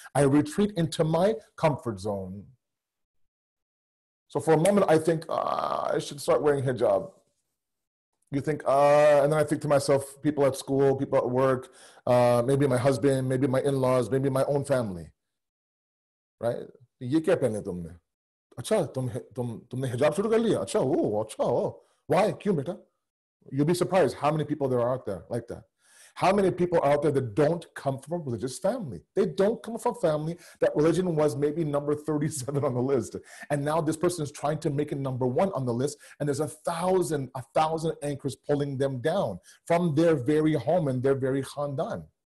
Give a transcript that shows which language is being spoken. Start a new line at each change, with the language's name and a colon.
English: I retreat into my comfort zone. So for a moment, I think, I should start wearing hijab. You think, and then I think to myself, people at school, people at work, maybe my husband, maybe my in-laws, maybe my own family. Right?
Hindi: ये क्या पहने तुमने? अच्छा, तुमने हिजाब शुरू कर लिया? अच्छा, ओह, अच्छा, ओह।
English: Why?
Hindi: क्यों, बेटा?
English: You'll be surprised how many people there are out there like that. How many people are out there that don't come from a religious family? They don't come from a family that religion was maybe number 37 on the list. And now this person is trying to make it number one on the list. And there's a thousand anchors pulling them down from their very home and their very khandan.